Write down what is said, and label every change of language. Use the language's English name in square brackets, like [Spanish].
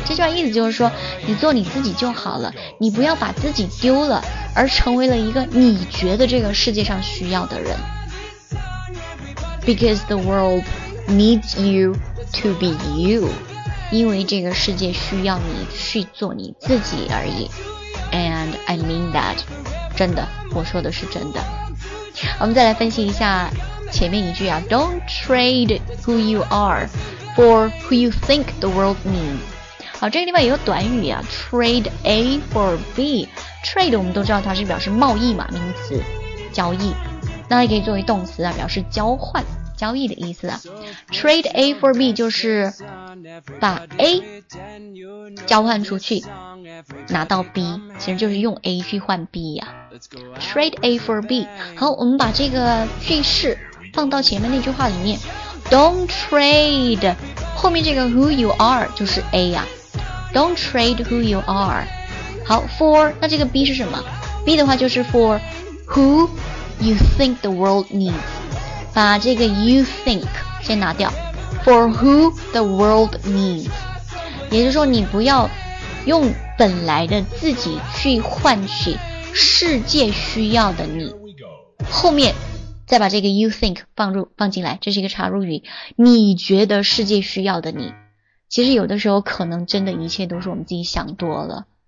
[Chinese] 这句话意思就是说，你做你自己就好了，你不要把自己丢了而成为了一个你觉得这个世界上需要的人。 [English] Because the world needs you to be you， [Chinese] 因为这个世界需要你去做你自己而已。 [English] And I mean that， [Chinese] 真的，我说的是真的。我们再来分析一下前面一句啊， [English] Don't trade who you are for who you think the world needs。 [Chinese] 好，这个地方有个短语啊， [English] trade A for B， [Chinese] trade 我们都知道它是表示贸易嘛，名词交易，那也可以作为动词啊，表示交换交易的意思啊。 [English] trade A for B [Chinese] 就是把 A 交换出去拿到 B， 其实就是用 A 去换 B 啊， trade A for B。好，我们把这个句式放到前面那句话里面， [English] Don't trade， [Chinese] 后面这个 [English] who you are [Chinese] 就是 A 啊， [English] Don't trade who you are。 [Chinese] 好， for， 那这个 B 是什么， B 的话就是 [English] for who you think the world needs， [Chinese] 把这个 [English] you think [Chinese] 先拿掉， [English] for who the world needs， [Chinese] 也就是说你不要用本来的自己去换取世界需要的你，后面再把这个 [English] you think [Chinese] 放进来，这是一个插入语，你觉得世界需要的你。其实有的时候可能真的一切都是我们自己想多了，